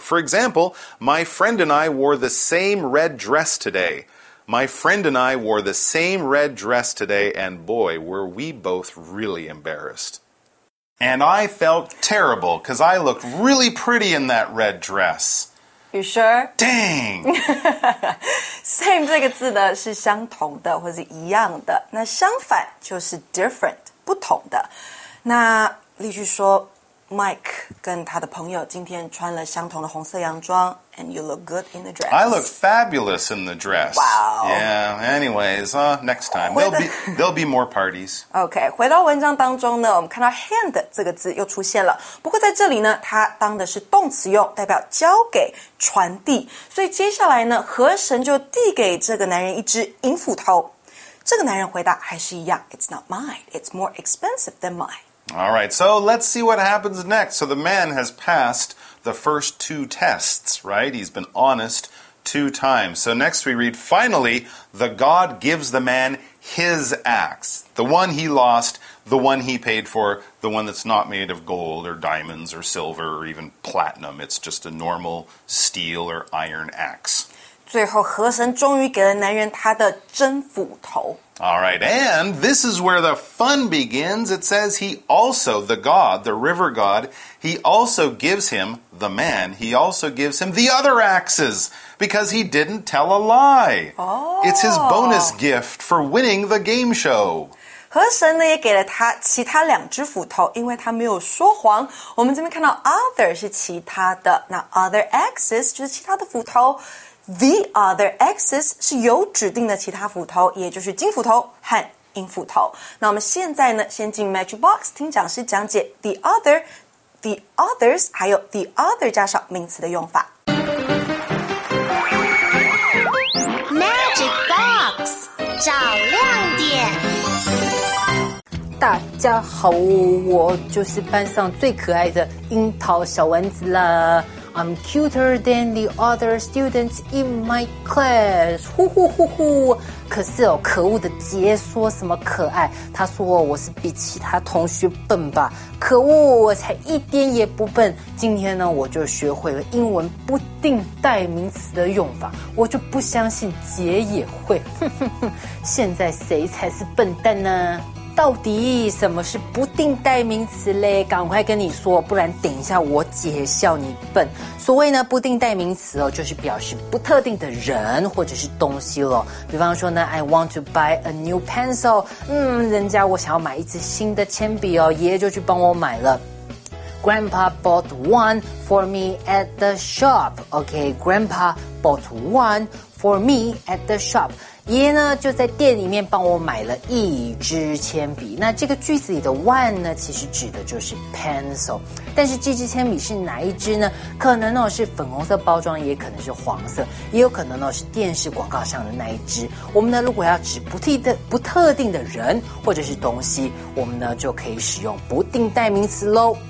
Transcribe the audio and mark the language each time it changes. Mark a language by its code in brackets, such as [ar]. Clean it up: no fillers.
[en] For example, my friend and I wore the same red dress today. My friend and I wore the same red dress today, and boy, were we both really embarrassed. And I felt terrible because I looked really pretty in that red dress. You sure? Dang! [zh] Same 这个字呢是相同的或是一样的，那相反就是 different 不同的。那例句说， Mike 跟他的朋友今天穿了相同的红色洋装 and you look good in the dress. [en] I look fabulous in the dress. Wow. Yeah, anyways, next time. There'll be more parties. [zh] Okay, 回到文章当中呢我们看到 hand 这个字又出现了。不过在这里呢它当的是动词用代表交给传递。所以接下来呢河神就递给这个男人一只银斧头。这个男人回答还是一样 It's not mine, it's more expensive than mine. [en] All right, so let's see what happens next. So the man has passed the first two tests, right? He's been honest two times. So next we read, finally, the god gives the man his axe. The one he lost, the one he paid for, the one that's not made of gold or diamonds or silver or even platinum. It's just a normal steel or iron axe. [zh] 最后河神终于给了男人他的真斧头。 [en] All right, and this is where the fun begins. It says he also, the god, the river god, he also gives him, the man, he also gives him the other axes because he didn't tell a lie. Oh. It's his bonus gift for winning the game show. [zh] 河神呢也给了他其他两只斧头因为他没有说谎。我们这边看到 other 是其他的那 other axes 就是其他的斧头。 The other axes 是有指定的其他斧头也就是金斧头和银斧头。那我们现在呢先进 Matchbox 听讲师讲解 The other, the others 还有 the other 加上名词的用法。 Matchbox 找亮点。大家好我就是班上最可爱的樱桃小丸子了。 [en] I'm cuter than the other students in my class. 呼呼呼呼！ [zh] 可是哦，可恶的杰说什么可爱？他说我是比其他同学笨吧？可恶，我才一点也不笨。今天呢，我就学会了英文不定代名词的用法。我就不相信杰也会。现在谁才是笨蛋呢？到底什么是不定代名词嘞？赶快跟你说，不然等一下我姐笑你笨。所谓呢，不定代名词哦，就是表示不特定的人或者是东西咯。 [en] 比方说呢，I want to buy a new pencil。 [zh] 人家我想要买一支新的铅笔哦，爷爷就去帮我买了。 [en] Grandpa bought one for me at the shop. Okay, Grandpa bought one for me at the shop. [zh] 爷爷呢就在店里面帮我买了一支铅笔。那这个句子里的 one 呢其实指的就是 pencil。但是这支铅笔是哪一支呢可能呢是粉红色包装也可能是黄色。也有可能呢是电视广告上的那一支。我们呢如果要指不特定的人或者是东西我们呢就可以使用不定代名词咯。